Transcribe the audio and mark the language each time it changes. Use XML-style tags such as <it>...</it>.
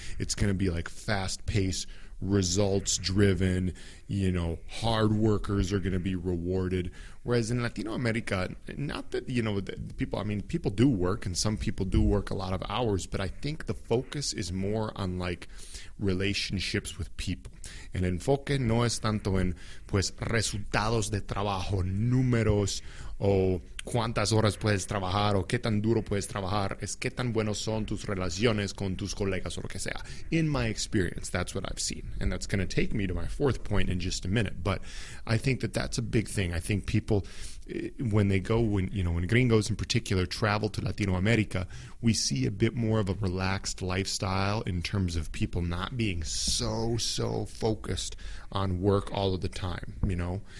<en>It's going to be, like, fast-paced, results-driven, you know, hard workers are going to be rewarded. Whereas in Latinoamérica, not that, you know, people do work, and some people do work a lot of hours, but I think the focus is more on, like, relationships with people.</en> <es>El enfoque no es tanto en, pues, resultados de trabajo, números, o cuántas horas puedes trabajar, o qué tan duro puedes trabajar, es qué tan buenos son tus relaciones con tus colegas, o lo que sea.</es> <en>In my experience, that's what I've seen. And that's going to take me to my fourth point in just a minute. But I think that that's a big thing. I think people, when they go, when you know, when gringos in particular travel to Latino America, we see a bit more of a relaxed lifestyle in terms of people not being so focused on work all of the time, you know.</en>